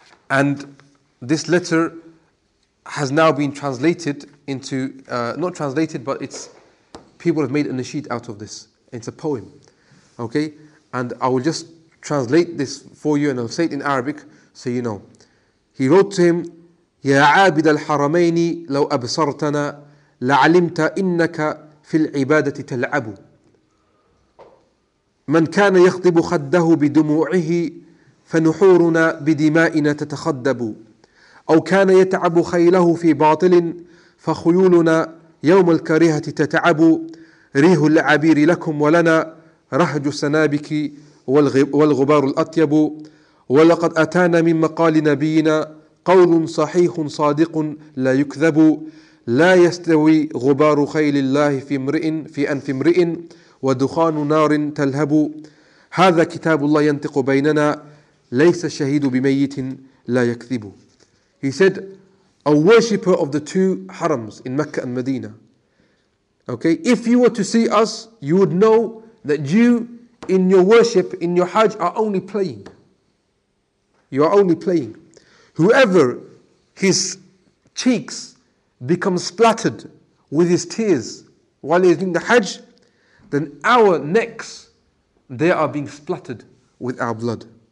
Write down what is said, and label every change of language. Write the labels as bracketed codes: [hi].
[en] And this letter has now been translated into, not translated, but it's, people have made a nasheed out of this. It's a poem, okay? And I will just translate this for you and I'll say it in Arabic so you know. He wrote to him, [ar] يَا عَابِدَ الْحَرَمَيْنِ لَوْ أَبْصَرْتَنَا لَعَلِمْتَ إِنَّكَ فِي الْعِبَادَةِ تَلْعَبُ مَنْ كَانَ يَخْضِبُ خَدَّهُ بِدُمُوعِهِ فَنُحُورُنَا بِدِمَائِنَا تَتَخَدَّبُ أَوْ كَانَ يَتَعَبُ خَيْلَهُ فِي بَاطِلٍ فخيولنا يوم الكريهة تتعب ريه العبير لكم ولنا رهج السنابك والغبار الأطيب ولقد أتانا من مقال نبينا قول صحيح صادق لا يكذب لا يستوي غبار خيل الله في امرئ في أنف امرئ ودخان نار تلهب هذا كتاب الله ينطق بيننا ليس الشهيد بميت لا يكذب. [en] He said, a worshipper of the two harams in Mecca and Medina. Okay, if you were to see us, you would know that you in your worship, in your hajj, are only playing. You are only playing. Whoever his cheeks become splattered with his tears while he is doing the hajj, then our necks, they are being splattered with our blood.